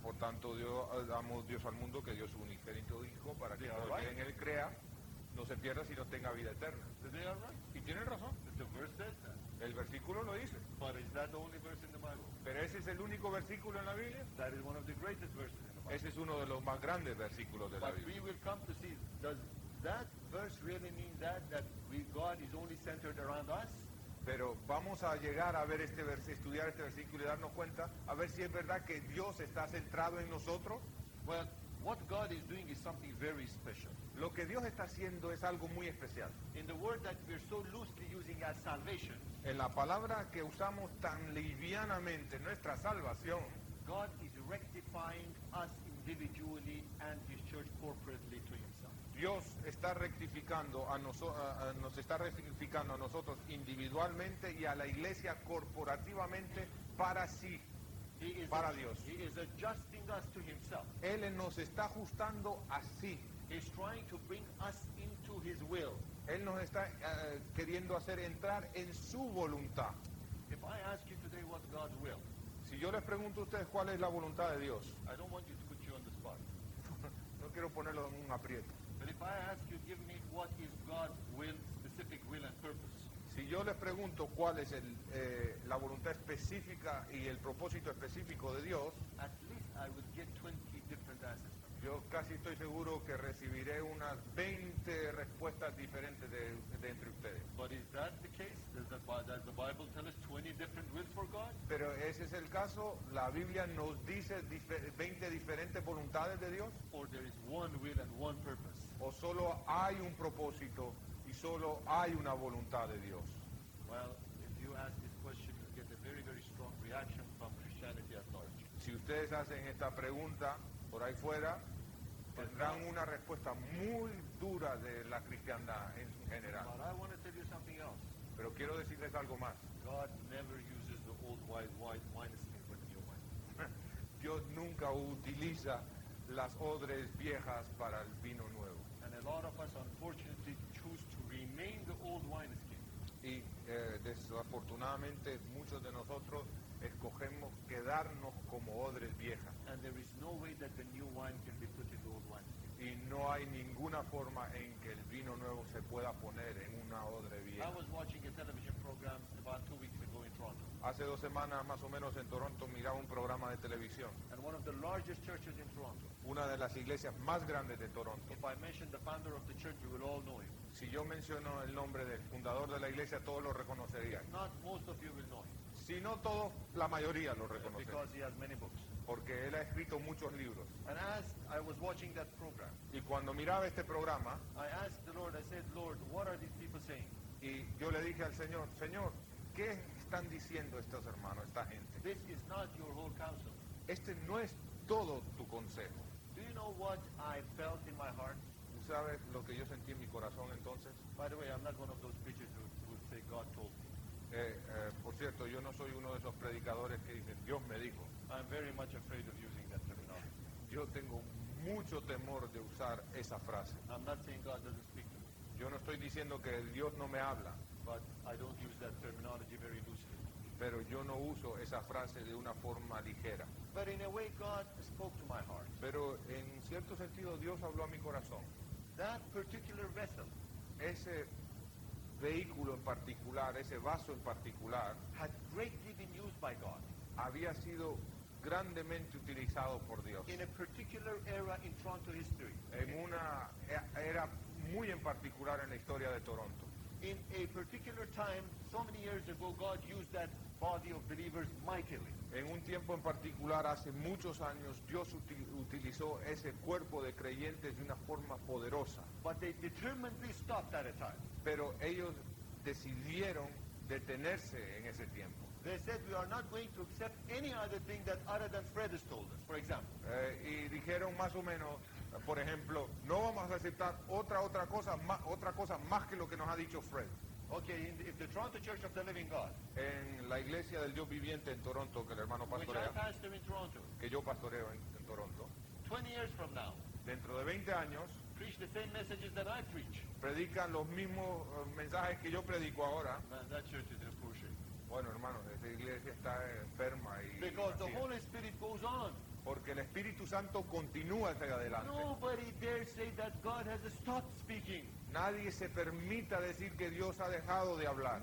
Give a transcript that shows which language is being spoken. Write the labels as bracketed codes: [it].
[es] Por tanto, Dios al mundo que dio su unigénito hijo para que todo quien en él crea no se pierda sino tenga vida eterna. [en] Right? [es] Y tienen razón. [en] The verse says that. [es] El versículo lo dice. [en] But is that the only verse in the Bible? [es] Pero ese es el único versículo en la Biblia. [en] That is one of the greatest verses in the Bible. [es] Ese es uno de los más grandes versículos de [en] but [es] la Biblia. [en] But we will come to see, does that verse really mean that we, God is only centered around us? [es] Pero vamos a llegar a ver este versículo, estudiar este versículo y darnos cuenta, a ver si es verdad que Dios está centrado en nosotros. [en] Well, what God is doing is something very special. [es] Lo que Dios está haciendo es algo muy especial. [en] In the word that we're so loosely using as salvation, [es] en la palabra que usamos tan livianamente, nuestra salvación, [en] God is rectifying us individually and his church corporately to himself. [es] Dios está rectificando nos está rectificando a nosotros individualmente y a la iglesia corporativamente para sí, para Dios. [en] He is adjusting us to himself. [es] Él nos está ajustando a sí. [en] He's trying to bring us into his will. [es] Él nos está queriendo hacer entrar en su voluntad. [en] If I ask you today what God's will, [es] si yo les pregunto a ustedes cuál es la voluntad de Dios, [en] I don't want you to put you on the spot. [es] No quiero ponerlo en un aprieto. [en] But if I ask you, give me what is God's will, specific will and purpose. [es] Si yo les pregunto cuál es la voluntad específica y el propósito específico de Dios, [en] at least I would get 20 different answers. [es] Yo casi estoy seguro que recibiré unas 20 respuestas diferentes de entre ustedes. [en] But is that the case? Does the Bible tell us 20 different wills for God? [es] Pero ese es el caso. La Biblia nos dice 20 diferentes voluntades de Dios. [en] Or there is one will and one purpose. [es] O solo hay un propósito y solo hay una voluntad de Dios. [en] Well, if you ask this question, you get a very, very strong reaction from Christianity authority. [es] Si ustedes hacen esta pregunta por ahí fuera, tendrán una respuesta muy dura de la cristiandad en general. [en] But I want to tell you something else. [es] Pero quiero decirles algo más. [en] God never uses the old wise minus thing with new wine. [es] Dios nunca utiliza las odres viejas para el vino nuevo. [en] And a lot of us unfortunately choose to remain the old wine skin. [es] Y desafortunadamente muchos de nosotros escogemos quedarnos como odres viejas. [en] And there is no way that the new wine can be put in the old wine. [es] Y no hay ninguna forma en que el vino nuevo se pueda poner en una odre vieja. [en] I was watching a television program about 2 weeks ago in Toronto. [es] Hace 2 semanas más o menos en Toronto miraba un programa de televisión. [en] And one of the largest churches in Toronto. [es] Una de las iglesias más grandes de Toronto. [en] If I mention the founder of the church, you will all know him. [es] Si yo menciono el nombre del fundador de la iglesia, todos lo reconocerían. [en] Not most of you will know him. [es] Si no todos, la mayoría lo reconocerían. [en] Because he has many books. [es] Porque él ha escrito muchos libros. [en] And as I was watching that program, [es] y cuando miraba este programa, [en] I asked the Lord, I said, Lord, what are these people saying? [es] Y yo le dije al Señor, Señor, ¿qué están diciendo estos hermanos, esta gente? [en] This is not your whole counsel. [es] Este no es todo tu consejo. [en] Do you know what I felt in my heart? [es] ¿Tú sabes lo que yo sentí en mi corazón entonces? [en] By the way, I'm not one of those preachers who would say God told me. [es] Por cierto, yo no soy uno de esos predicadores que dicen Dios me dijo. [en] I'm very much afraid of using that terminology. [es] Yo tengo mucho temor de usar esa frase. [en] I'm not saying God doesn't speak to me. [es] Yo no estoy diciendo que Dios no me habla. [en] But I don't use that terminology very loosely. [es] Pero yo no uso esa frase de una forma ligera. [en] But in a way, God spoke to my heart. [es] Pero en cierto sentido, Dios habló a mi corazón. [en] That particular vessel. [es] Ese vehículo en particular, ese vaso en particular, [en] had greatly been used by God. [es] Había sido grandemente utilizado por Dios. [en] In a particular era in Toronto history. [es] En una era muy en particular en la historia de Toronto. [en] In a particular time, so many years ago, God used that body of believers mightily. [es] En un tiempo en particular, hace muchos años, Dios utilizó ese cuerpo de creyentes de una forma poderosa. [en] But they determinedly stopped at a time. [es] Pero ellos decidieron detenerse en ese tiempo. [en] They said, we are not going to accept any other thing that other than Fred has told us, for example. [es] Y dijeron más o menos, por ejemplo, no vamos a aceptar otra cosa más que lo que nos ha dicho Fred. [en] Okay, if the Toronto Church of the Living God, [es] en la iglesia del Dios viviente en Toronto, que el hermano pastorea, [en] which I pastor in Toronto, [es] que yo pastoreo en Toronto, [en] 20 years from now, [es] dentro de 20 años, [en] preach the same messages that I preach, [es] predican los mismos mensajes que yo predico ahora, [en] man, that church is in poor shape. [es] Bueno, hermano, esa iglesia está enferma y [en] because the Holy Spirit goes on. [es] Porque el Espíritu Santo continúa hacia adelante. [en] Nobody dare say that God has stopped speaking. [es] Nadie se permita decir que Dios ha dejado de hablar.